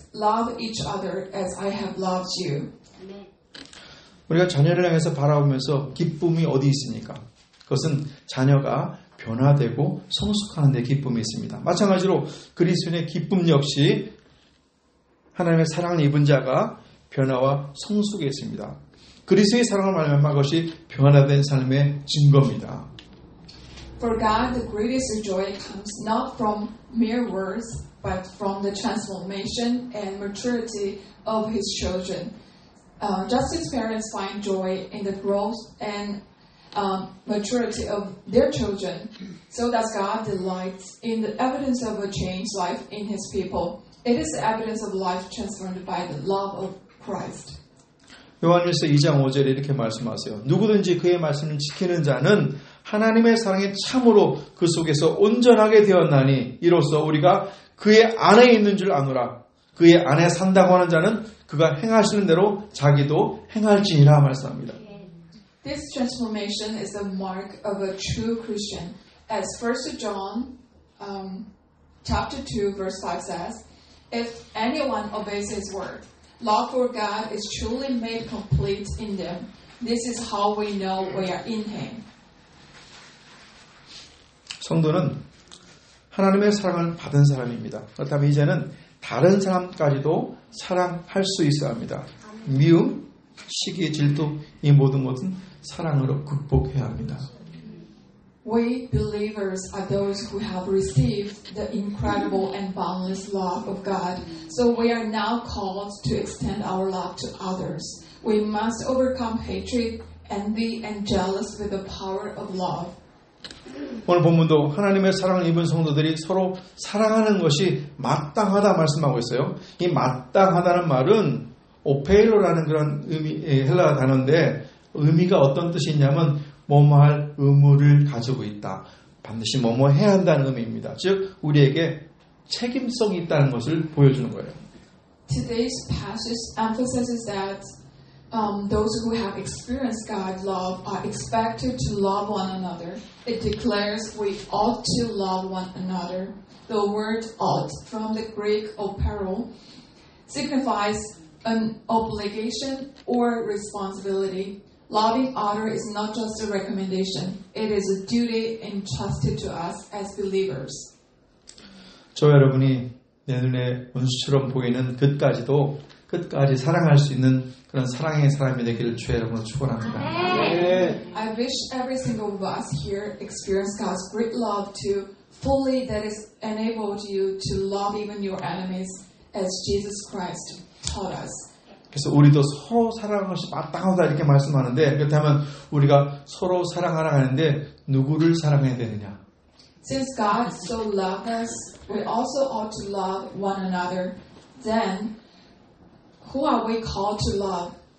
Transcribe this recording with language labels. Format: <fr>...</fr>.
<en>Love each other as I have loved you.</en> <ko>우리가 자녀를 향해서 바라보면서 기쁨이 어디 있습니까? 그것은 자녀가 변화되고 성숙하는 데 기쁨이 있습니다. 마찬가지로 그리스도인의 기쁨 역시 하나님의 사랑을 입은 자가 변화와 성숙에 있습니다. 그리스도의 사랑을 말미암아 것이 변화된 삶의 증거입니다.</ko> <en>For God, the greatest joy comes not from mere words, but from the transformation and maturity of His children. Just as parents find joy in the growth and maturity of their children, so does God delight in the evidence of a changed life in His people. It is the evidence of life transformed by the love of Christ.</en> <ko>요한일서 2장 5절에 이렇게 말씀하세요. 누구든지 그의 말씀을 지키는 자는 하나님의 사랑에 참으로 그 속에서 온전하게 되었나니 이로써 우리가 그의 안에 있는 줄 아노라. 그의 안에 산다고 하는 자는 그가 행하시는 대로 자기도 행할지니라 말씀합니다.</ko> <en>This transformation is the mark of a true Christian. As 1 John chapter 2 verse 5 says, if anyone obeys his word, love for God is truly made complete in them. This is how we know we are in Him.</en> <ko>성도는 하나님의 사랑을 받은 사람입니다. 그렇다면 이제는 다른 사람까지도 사랑할 수 있어야 합니다. 미움, 시기, 질투 이 모든 것은 사랑으로 극복해야 합니다.</ko> <en>We believers are those who have received the incredible and boundless love of God. So we are now called to extend our love to others. We must overcome hatred, envy, and jealousy with the power of love.</en> <ko>오늘 본문도 하나님의 사랑을 입은 성도들이 서로 사랑하는 것이 마땅하다 말씀하고 있어요. 이 마땅하다는 말은 오페일로라는 그런 의미, 헬라어 단어인데 의미가 어떤 뜻이 있냐면 뭐뭐 할 의무를 가지고 있다. 반드시 뭐뭐 해야 한다는 의미입니다. 즉 우리에게 책임성이 있다는 것을 보여주는 거예요.</ko> <en>Today's passage emphasizes that those who have experienced God's love are expected to love one another. It declares we ought to love one another. The word ought from the Greek opero signifies an obligation or responsibility. Loving other is not just a recommendation. It is a duty entrusted to us as believers.</en> <ko>저 여러분이 내 눈에 원수처럼 보이는 그까지도 끝까지 사랑할 수 있는 그런 사랑의 사람이 되기를 주의 여러분 축원합니다.</ko> <en>I wish every single of us here experience God's great love to fully that has enabled you to love even your enemies as Jesus Christ taught us.</en> <ko>그래서 우리도 서로 사랑하는 것이 마땅하다 이렇게 말씀하는데 그렇다면 우리가 서로 사랑하라 하는데 누구를 사랑해야 되느냐?</ko> <en>Since God so loved us, we also ought to love one another. Then who are we called to love?</en>